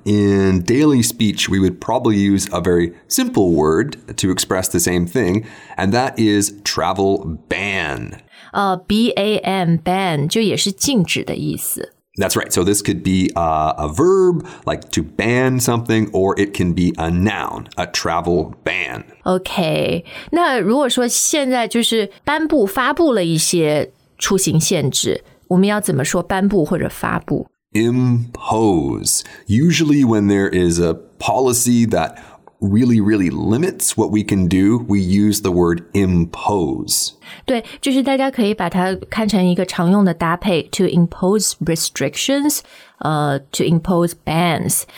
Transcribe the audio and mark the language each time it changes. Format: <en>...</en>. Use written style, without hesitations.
<en>In daily speech, we would probably use a very simple word to express the same thing, and that is travel ban.</en> <zh>B-A-N, ban, 就也是禁止的意思。</zh> <en>That's right. So this could be a verb, like to ban something, or it can be a noun, a travel ban. Okay.</en> <zh>那如果说现在就是颁布发布了一些出行限制，我们要怎么说颁布或者发布?</zh> <en>Impose. Usually when there is a policy that really, really limits what we can do, we use the word impose.</en> <zh>对,就是大家可以把它看成一个常用的搭配</zh> <en>to impose restrictions, to impose bans.</en>